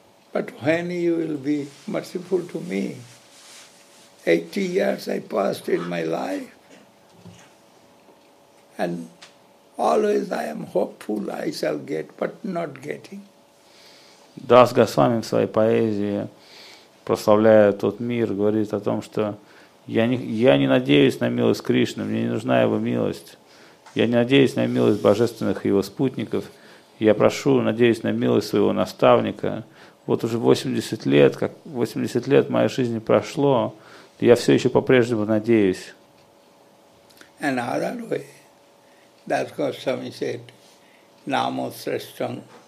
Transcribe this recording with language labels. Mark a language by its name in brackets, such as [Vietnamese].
[English] But when you will be merciful to me, 80 years I passed in my life. And always I am hopeful I shall get, but not getting. [Russian] Дас Госвами в своей поэзии прославляет тот мир, говорит о том, что я не надеюсь на милость Кришны, мне не нужна его милость. Я не надеюсь на милость божественных его спутников. Я прошу, надеюсь на милость своего наставника. Вот уже 80 лет, как 80 лет моей жизни прошло, я все еще по-прежнему надеюсь. [English] And other way, Дас Госвами said, Namo Srestam.